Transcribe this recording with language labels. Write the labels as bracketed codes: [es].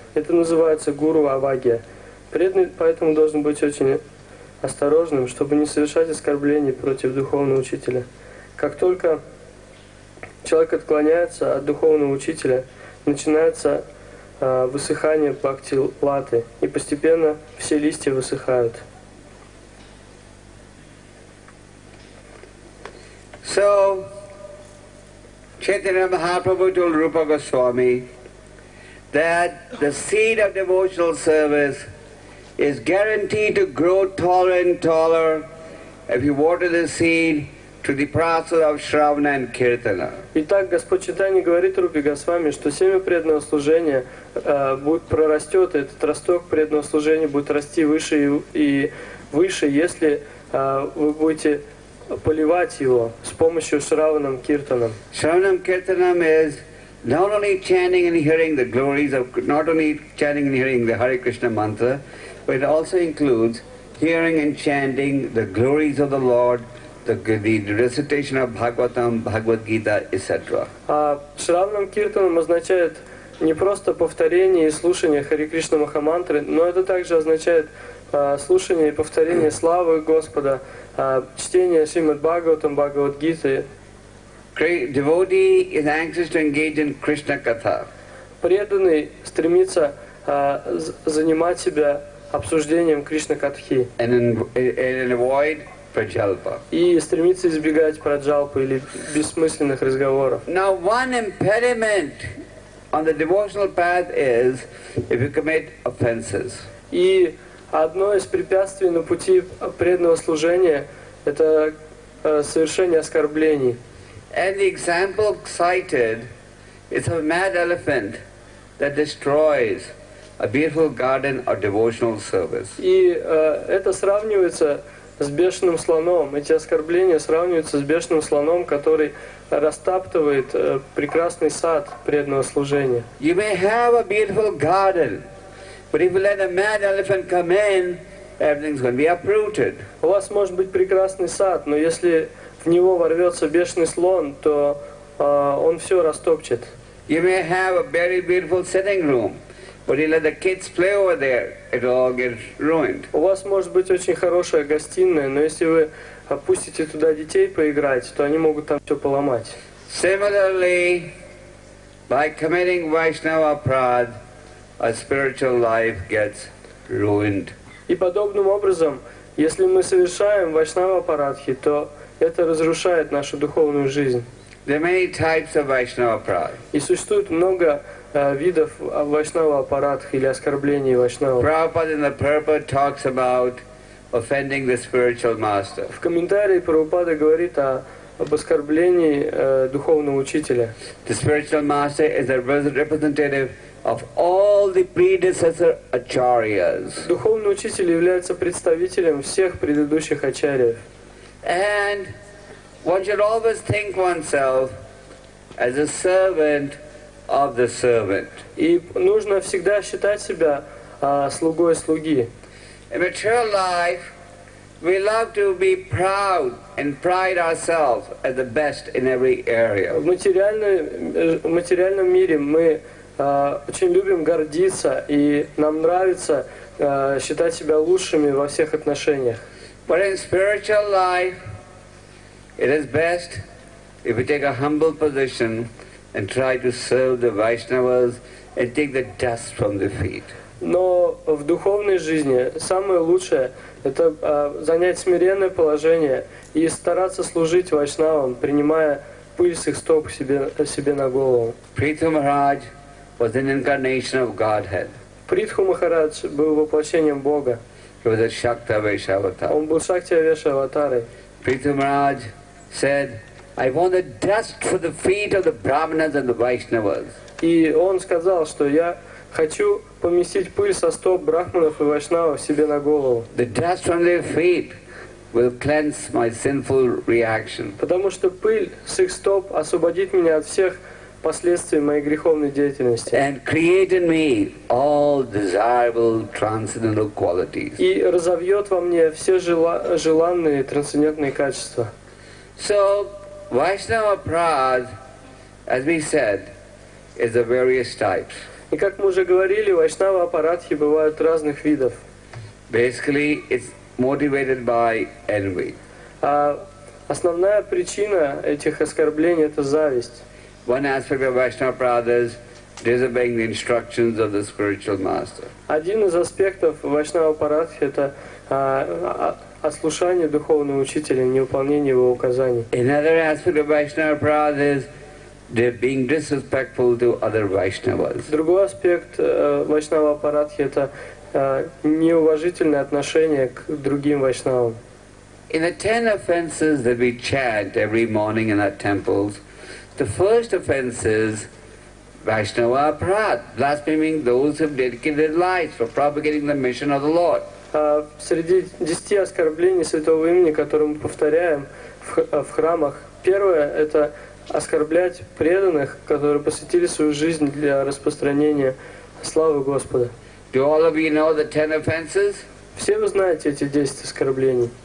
[ru] Это называется гуру авагия. Преданный поэтому должен быть очень осторожным, чтобы не совершать оскорблений против духовного учителя. Как только человек отклоняется от духовного учителя, начинается высыхание бхактилаты, и постепенно все листья высыхают. [en] So, Chaitanya Mahaprabhu told Rupa Goswami that the seed of devotional service is guaranteed to grow taller and taller if you water the seed to the process of Shravana and Kirtana. [ru] Итак, Господь Чайтанья говорит Рупе Госвами, что семя преданного служения будет прорастет, этот росток преданного служения будет расти выше и выше, если вы будете поливать его с помощью Шраванам Киртанам. [en] Shravanam Kirtanam is not only chanting and hearing the glories of, not only chanting and hearing the Hare Krishna mantra, but it also includes hearing and chanting the glories of the Lord, the recitation of Bhagavatam, Bhagavad Gita, etc. [ru] Шравнам Киртанам означает не просто повторение и слушание Хари Кришна Махамантры, но это также означает слушание и повторение славы Господа, чтение Шримад Бхагаватам, Бхагавад Гиты. [en] Devotee is anxious to engage in Krishna Katha. [ru] Преданный стремится занимать себя обсуждением Кришна Катхи. [en] And avoid праджалпа. [ru] И стремится избегать праджалпы или бессмысленных разговоров. [en] Now one impediment on the devotional path is if you commit offenses. [ru] И одно из препятствий на пути преданного служения – это совершение оскорблений. [en] And the example cited is a mad elephant that destroys a beautiful garden or devotional service. [ru] И это сравнивается с бешеным слоном. Эти оскорбления сравниваются с бешеным слоном, который растаптывает прекрасный сад преданного служения. [en] You may have a beautiful garden, but if you let a mad elephant come in, everything's going to be uprooted. [ru] У вас может быть прекрасный сад, но если в него ворвется бешеный слон, то он все растопчет. [en] You may have a very beautiful sitting room, But he let the kids play over there, it all gets ruined. [ru] У вас может быть очень хорошая гостиная, но если вы опустите туда детей поиграть, то они могут там все поломать. [en] Similarly, by committing Vaishnava prad, a spiritual life gets ruined. [ru] И подобным образом, если мы совершаем вайшнава парадхи, то это разрушает нашу духовную жизнь. [en] There are many types of vaishnava prad. [ru] И существует много видов вайшнава парадхи или оскорблений вайшнава. [en] Prabhupada in the Purport talks about offending the spiritual master. [ru] В комментарии Прабхупада говорит об оскорблении духовного учителя. [en] The spiritual master is a representative of all the predecessor acharyas. [ru] Духовный учитель является представителем всех предыдущих ачарьев. [en] And one should always think oneself as a servant of the servant. [ru] И нужно всегда считать себя слугой слуги. [en] In material life, we love to be proud and pride ourselves as the best in every area. [ru] В материальном мире мы очень любим гордиться, и нам нравится считать себя лучшими во всех отношениях. [en] But in spiritual life, it is best if we take a humble position and try to serve the Vaishnavas and take the dust from the feet. [ru] Но в духовной жизни самое лучшее – это занять смиренное положение и стараться служить Вайшнавам, принимая пыль с их стоп себе на голову. [en] Притху Махарадж was an incarnation of Godhead. [ru] Притху Махарадж был воплощением Бога. [en] He was a Shakta Vesha Avatar. [ru] Он был Шакти Авеша Аватарой. [en] Притху Махарадж said, I want the dust for the feet of the Brahmanas and the Vaishnavas. [ru] И он сказал, что я хочу поместить пыль со стоп брахманов и вайшнавов себе на голову. [en] The dust from their feet will cleanse my sinful reaction. [ru] Потому что пыль с их стоп освободит меня от всех последствий моей греховной деятельности. [en] And create in me all desirable transcendental qualities. [ru] И разовьет во мне все желанные трансцендентные качества. [en] So, Vaishnava Prad, as we said, is of various types. [ru] И как мы уже говорили, вайшнава апарадхи бывают разных видов. [en] Basically, it's motivated by envy. [ru] Основная причина этих оскорблений – это зависть. [en] One aspect of vaishnava prada is disobeying the instructions of the spiritual master. [ru] Один из аспектов вайшнава апарадхи – это ослушание духовного учителя, невыполнение его указаний. [en] Another aspect of vaishnava prada is they're being disrespectful to other Vaishnavas. [ru] Другой аспект вайшнава апарадхи – это неуважительное отношение к другим вайшнавам. [en] In the 10 offenses that we chant every morning in our temples, the first offense is vaishnava apradh, blaspheming those who have dedicated their lives for propagating the mission of the Lord. [ru] Среди 10 оскорблений святого имени, которые мы повторяем в храмах, первое – это оскорблять преданных, которые посвятили свою жизнь для распространения славы Господа. [en] Do all of you know the 10 offenses? [ru] Все вы знаете эти 10 оскорблений?